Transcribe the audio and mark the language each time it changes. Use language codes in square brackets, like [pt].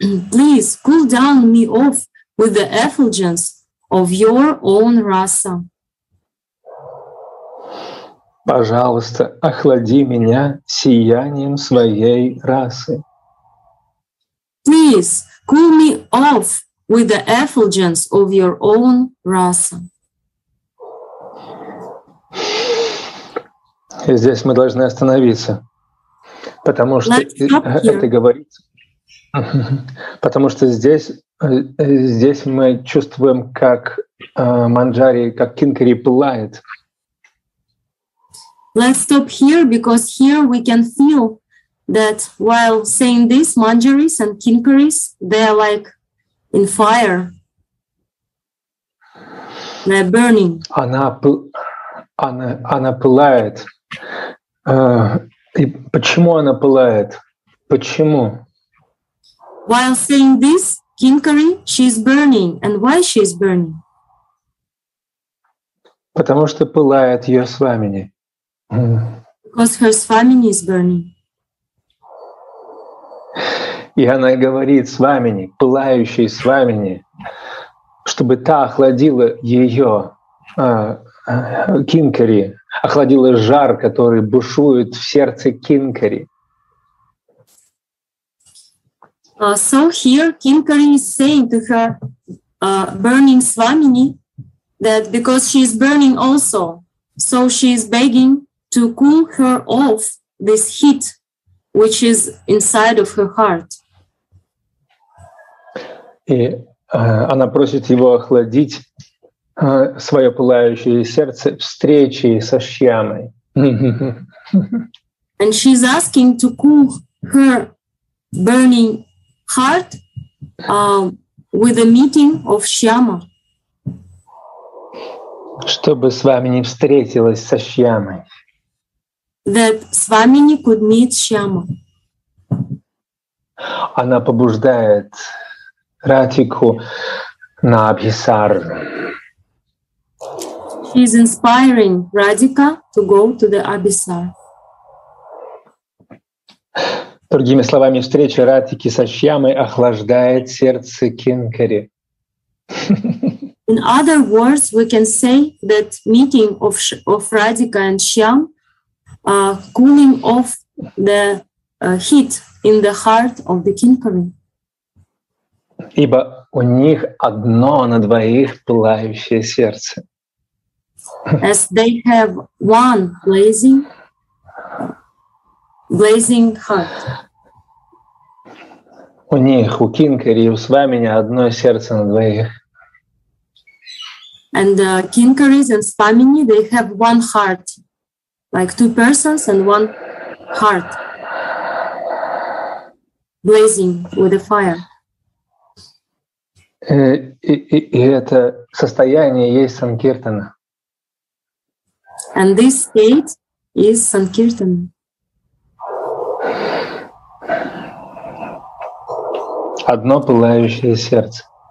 [en] Please cool down me off with the effulgence of your own rasa. [ru] Пожалуйста, охлади меня сиянием своей расы. [en] Please cool me off with the effulgence of your own rasa. [ru] И здесь мы должны остановиться, потому что это говорится. Потому что здесь мы чувствуем, как Манджари, как Кинкари пылает. [en] Let's stop here, because here we can feel that while saying this, Manjaris and Kinkaris, they are like in fire. They're burning. [ru] Она пылает. И почему она пылает? Почему? [en] While saying this, Kinkari, she is burning. And why she is burning? [ru] Потому что пылает ее свамини. [en] Because her swamini is burning. [ru] И она говорит свамини, пылающей свамини, чтобы та охладила ее Кинкари, охладила жар, который бушует в сердце Кинкари. [en] So here Kinkari is saying to her burning swamini that because she is burning also, so she is begging to cool her off this heat which is inside of her heart. [ru] И она просит его охладить свое пылающее сердце встречи со Шьямой. [en] And she's asking to cool her burning heart with a meeting of Shyama. [ru] Чтобы с вами не встретилась со Шьямой. [en] That с вами не could meet Шьяма. [ru] Она побуждает Радхику на Абхисару. [en] She's inspiring Radhika to go to the Abhisar. [ru] Другими словами, встреча Радхики со Шьямой охлаждает сердце Кинкари. [en] In other words, we can say that meeting of Radhika and Shyam cooling off the heat in the heart of the Kinkari. [ru] Ибо у них одно на двоих пылающее сердце. [en] As they have one blazing heart. [ru] У них, у Кинкари и у Свамини одно сердце на двоих. [en] And Kinkaris and Swamini, they have one heart, like two persons and one heart, blazing with a fire. [ru] И это состояние есть санкиртана. [en] And this state is sankirtana. [ru] Одно пылающее сердце.